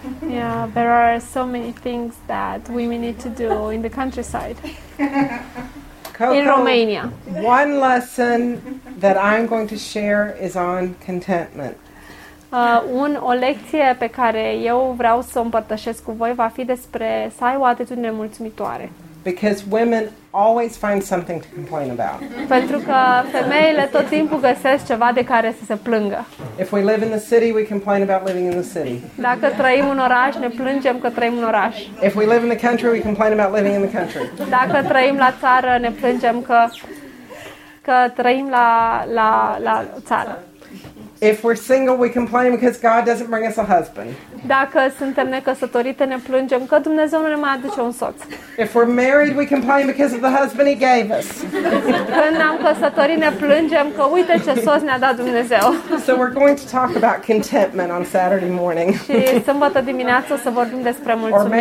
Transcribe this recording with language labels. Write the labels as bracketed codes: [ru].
[en] Yeah, there are so many things that women need to do in the countryside. Coco, in Romania. One lesson that I'm going to share is on contentment. [ro] O lecție pe care eu vreau să o împărtășesc cu voi va fi despre să ai o atitudine mulțumitoare. [en] Because women always find something to complain about. [ro] Pentru că femeile tot timpul găsesc ceva de care să se plângă. [en] If we live in the city, we complain about living in the city. [ro] Dacă trăim în oraș, ne plângem că trăim în oraș. [en] If we live in the country, we complain about living in the country. [ro] Dacă trăim la țară, ne plângem că trăim la țară. [en] If we're single, we complain because God doesn't bring us a husband. [ro] Dacă suntem necăsătorite, ne plângem că Dumnezeu nu ne mai aduce un soț. [en] If we're married, we complain because of the husband he gave us. [ro] Când ne-am căsătorit, ne plângem că uite ce soț ne-a dat Dumnezeu. [en] So we're going to talk about contentment on Saturday morning. [ro] Și sâmbătă dimineață o să vorbim despre mulțumire.